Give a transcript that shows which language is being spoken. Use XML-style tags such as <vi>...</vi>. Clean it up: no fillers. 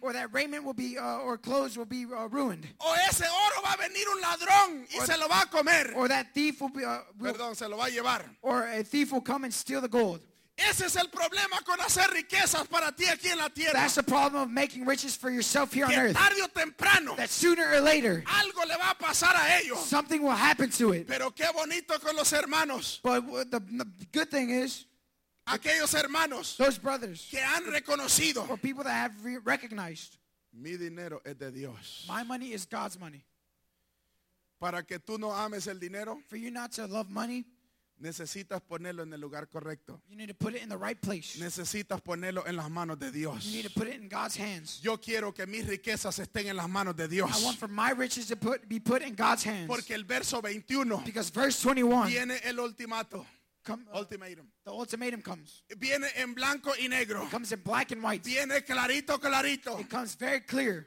<en>or that raiment will be or clothes will be ruined,</en> <es>o ese oro va a venir un ladrón y se lo va a comer,</es> <en>or that thief will be</en> <es>se lo va a llevar,</es> <en>or a thief will come and steal the gold.</en> <es>Ese es el problema con hacer riquezas para ti aquí en la tierra.</es> <en>That's the problem of making riches for yourself here on earth.</en> <es>Que tarde o temprano,</es> <en>that sooner or later,</en> <es>algo le va a pasar a ellos.</es> <en>Something will happen to it.</en> <es>Pero qué bonito con los hermanos.</es> <en>But the good thing is,</en> <es>aquellos hermanos,</es> <en>those brothers,</en> <es>que han reconocido,</es> <en>or people that have recognized,</en> <es>mi dinero es de Dios.</es> <en>My money is God's money.</en> <es>Para que tú no ames el dinero,</es> <en>for you not to love money,</en> <es>necesitas ponerlo en el lugar correcto.</es> <en>You need to put it in the right place.</en> <es>Necesitas ponerlo en las manos de Dios.</es> <en>You need to put it in God's hands.</en> <es>Yo quiero que mis riquezas estén en las manos de Dios.</es> <en>I want for my riches to be put in God's hands.</en> <es>Porque el verso 21,</es> <en>because verse 21,</en> <es>viene el ultimato.</es> <en>Ultimatum. The ultimatum comes.</en> <es>Viene en blanco y negro.</es> <en>It comes in black and white.</en> <es>Viene clarito, clarito.</es> <en>It comes very clear.</en>